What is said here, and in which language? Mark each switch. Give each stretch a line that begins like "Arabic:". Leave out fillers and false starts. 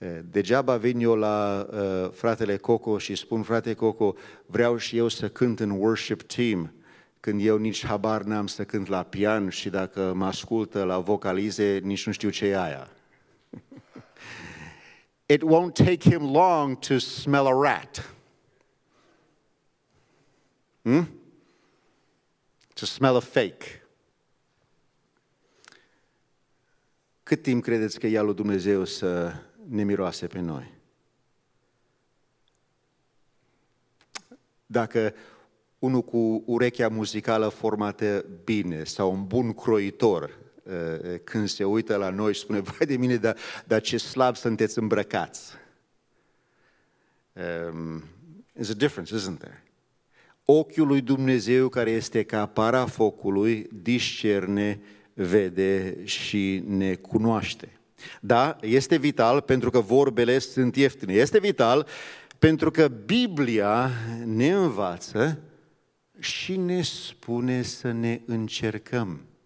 Romanian: Degeaba vin eu la fratele Coco și spun: frate Coco, vreau și eu să cânt în worship team, când eu nici habar n-am să cânt la pian și dacă mă ascultă la vocalize, nici nu știu ce e aia.
English: It won't take him long to smell a rat. To smell a fake.
Romanian: Cât timp credeți că ia lui Dumnezeu să ne miroase pe noi? Dacă unul cu urechea muzicală formată bine sau un bun croitor când se uită la noi și spune: vai de mine, dar ce slab sunteți îmbrăcați.
English: There's a difference, isn't there?
Romanian: Ochiul lui Dumnezeu, care este ca parafocului, discerne, vede și ne cunoaște. Da, este vital pentru că vorbele sunt ieftine. Este vital pentru că Biblia ne învață și ne spune să ne încercăm.